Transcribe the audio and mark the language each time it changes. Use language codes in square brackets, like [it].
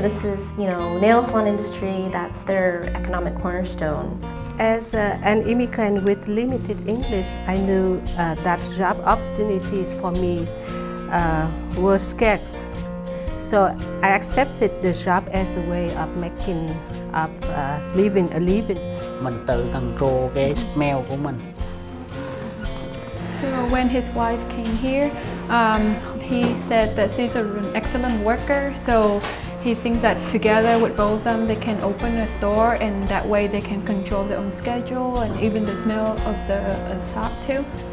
[en] This is, you know, nail salon industry. That's their economic cornerstone. As an immigrant with limited English, I knew that job opportunities for me were scarce. So I accepted the job as the way of making up, living a living. [vi] Mình tự control cái smell của mình. [en] So when his wife came here, he said that she's an excellent worker. So he thinks that together with both of them, they can open a store, and that way they can control their own schedule and even the smell of the shop too.